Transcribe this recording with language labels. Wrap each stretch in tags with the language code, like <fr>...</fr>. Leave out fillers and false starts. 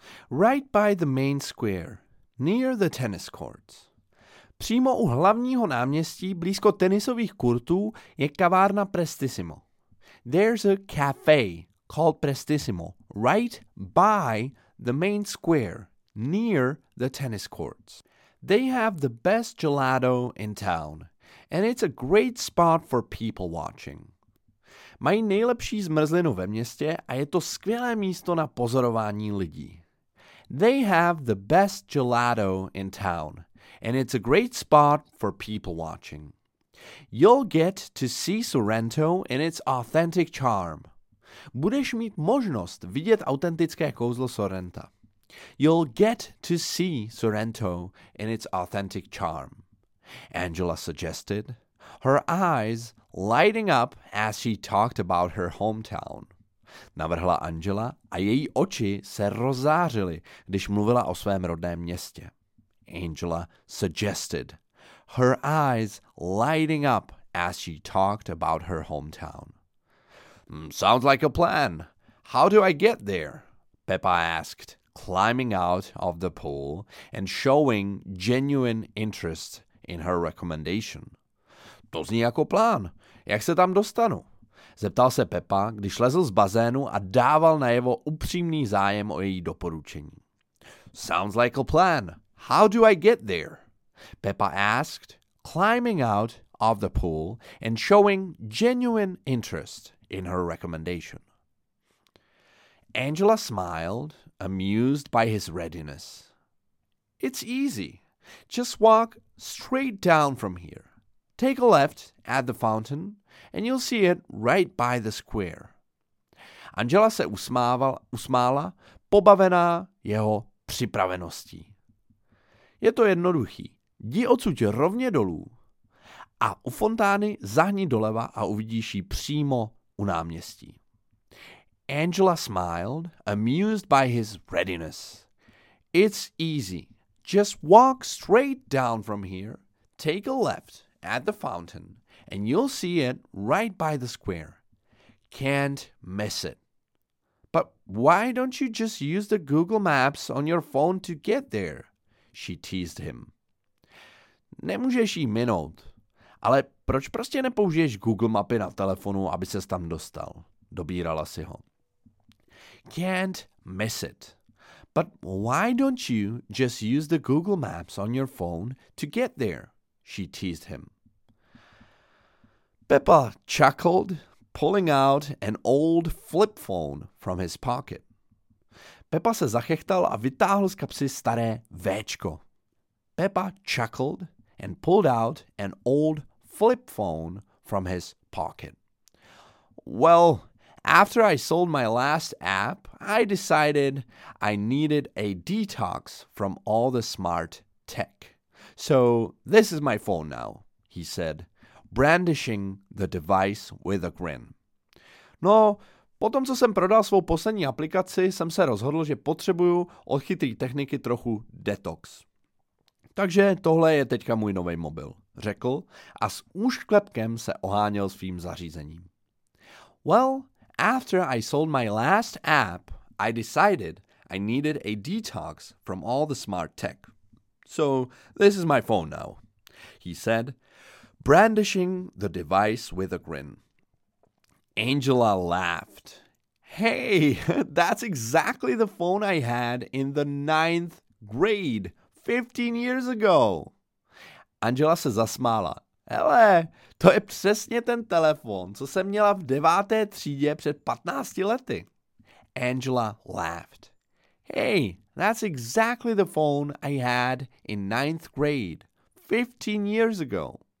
<en>Right by the main square, near the tennis courts.</en> <cs>Přímo u hlavního náměstí, blízko tenisových kurtů, je kavárna Prestissimo.</cs> <en>There's a cafe called Prestissimo, right by the main square, near the tennis courts. They have the best gelato in town, and it's a great spot for people watching.</en> <cs>Mají nejlepší zmrzlinu ve městě a je to skvělé místo na pozorování lidí.</cs> <en>They have the best gelato in town, and it's a great spot for people watching. You'll get to see Sorrento in its authentic charm.</en> <cs>Budeš mít možnost vidět autentické kouzlo Sorrenta.</cs> <en>You'll get to see Sorrento in its authentic charm, Angela suggested, her eyes lighting up as she talked about her hometown.</en> <cs>Navrhla Angela a její oči se rozzářily, když mluvila o svém rodném městě.</cs> <en>Angela suggested, her eyes lighting up as she talked about her hometown. Sounds like a plan. How do I get there? Pepa asked, climbing out of the pool and showing genuine interest in her recommendation.</en> <cs>To zní jako plán. Jak se tam dostanu? Zeptal se Pepa, když lezl z bazénu a dával najevo upřímný zájem o její doporučení.</cs> <en>Sounds like a plan. How do I get there? Pepa asked, climbing out of the pool and showing genuine interest in her recommendation. Angela smiled, amused by his readiness. It's easy. Just walk straight down from here. Take a left at the fountain, and you'll see it right by the square.</en> <cs>Angela se usmála, pobavená jeho připraveností. Je to jednoduchý. Jdi odsud rovně dolů a u fontány zahni doleva a uvidíš ji přímo u náměstí.</cs> <en>Angela smiled, amused by his readiness. It's easy. Just walk straight down from here, take a left at the fountain, and you'll see it right by the square. Can't miss it. But why don't you just use the Google Maps on your phone to get there? She teased him.</en> <cs>Nemůžeš jí minout. Ale proč prostě nepoužiješ Google mapy na telefonu, aby ses tam dostal? Dobírala si ho.</cs> <en>Can't miss it. But why don't you just use the Google Maps on your phone to get there? She teased him. Pepa chuckled, pulling out an old flip phone from his pocket.</en> <cs>Pepa se zachechtal a vytáhl z kapsy staré Véčko.</cs> <en>Pepa chuckled and pulled out an old flip phone from his pocket. Well, after I sold my last app, I decided I needed a detox from all the smart tech. So this is my phone now, he said, brandishing the device with a grin.</en> <cs>No, potom, co jsem prodal svou poslední aplikaci, jsem se rozhodl, že potřebuju od chytrý techniky trochu detox. Takže tohle je teďka můj nový mobil, řekl a s úšklepkem se oháněl svým zařízením.</cs> <en>Well, after I sold my last app, I decided I needed a detox from all the smart tech. So, this is my phone now, he said, brandishing the device with a grin. Angela laughed. Hey, that's exactly the phone I had in the 9th grade, 15 years ago.</en> <cs>Angela se zasmála. Hele, to je přesně ten telefon, co jsem měla v 9. třídě před 15 lety.</cs> <en>Angela laughed. Hey, that's exactly the phone I had in 9th grade, 15 years ago.</en>